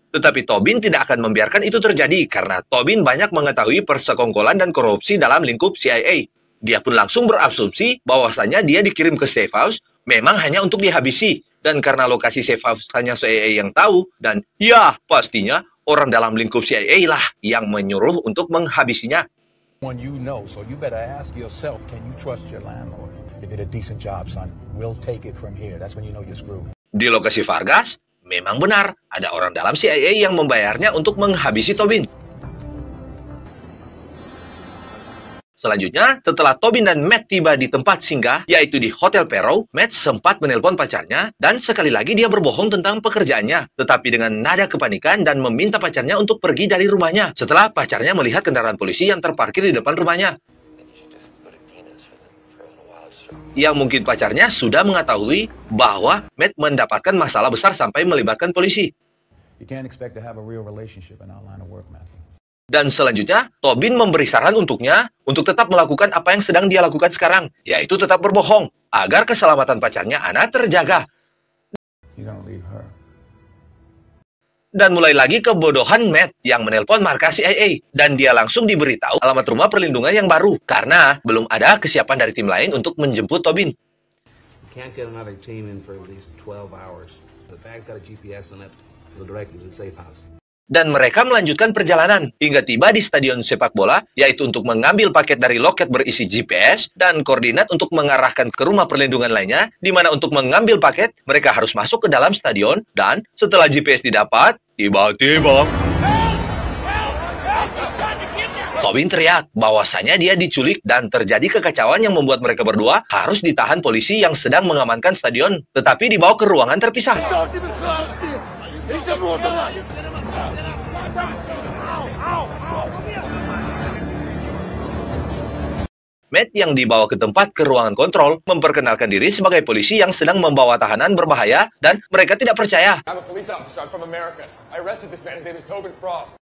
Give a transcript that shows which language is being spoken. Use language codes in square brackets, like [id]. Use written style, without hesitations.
[id] Tetapi Tobin tidak akan membiarkan itu terjadi karena Tobin banyak mengetahui persekongkolan dan korupsi dalam lingkup CIA. Dia pun langsung berasumsi bahwasanya dia dikirim ke safe house memang hanya untuk dihabisi. Dan karena lokasi safe house hanya CIA yang tahu, dan ya pastinya orang dalam lingkup CIA lah yang menyuruh untuk menghabisinya. [en] One you know, so you better ask yourself, can you trust your landlord? You did a decent job, son. We'll take it from here. That's when you know you're screwed. [id] Di lokasi Vargas, memang benar ada orang dalam CIA yang membayarnya untuk menghabisi Tobin. Selanjutnya, setelah Tobin dan Matt tiba di tempat singgah, yaitu di Hotel Perrow, Matt sempat menelpon pacarnya, dan sekali lagi dia berbohong tentang pekerjaannya, tetapi dengan nada kepanikan dan meminta pacarnya untuk pergi dari rumahnya, setelah pacarnya melihat kendaraan polisi yang terparkir di depan rumahnya. Yang mungkin pacarnya sudah mengetahui bahwa Matt mendapatkan masalah besar sampai melibatkan polisi. [en] You can't expect to have a real relationship in our line of work, Matt. [id] Dan selanjutnya, Tobin memberi saran untuknya untuk tetap melakukan apa yang sedang dia lakukan sekarang, yaitu tetap berbohong, agar keselamatan pacarnya Anna terjaga. Dan mulai lagi kebodohan Matt yang menelpon markas CIA, dan dia langsung diberitahu alamat rumah perlindungan yang baru, karena belum ada kesiapan dari tim lain untuk menjemput Tobin. [en] Can't get another team in for at least 12 hours. The bag's got a GPS on it. We'll direct you to the safe house. [id] Dan mereka melanjutkan perjalanan hingga tiba di stadion sepak bola, yaitu untuk mengambil paket dari loket berisi GPS dan koordinat untuk mengarahkan ke rumah perlindungan lainnya, di mana untuk mengambil paket mereka harus masuk ke dalam stadion. Dan setelah GPS didapat, tiba-tiba Tobin teriak bahwasanya dia diculik, dan terjadi kekacauan yang membuat mereka berdua harus ditahan polisi yang sedang mengamankan stadion, tetapi dibawa ke ruangan terpisah. Matt yang dibawa ke tempat ke ruangan kontrol memperkenalkan diri sebagai polisi yang sedang membawa tahanan berbahaya, dan mereka tidak percaya. [en] I'm a police officer. I'm from America. I arrested this man. His name is Tobin Frost.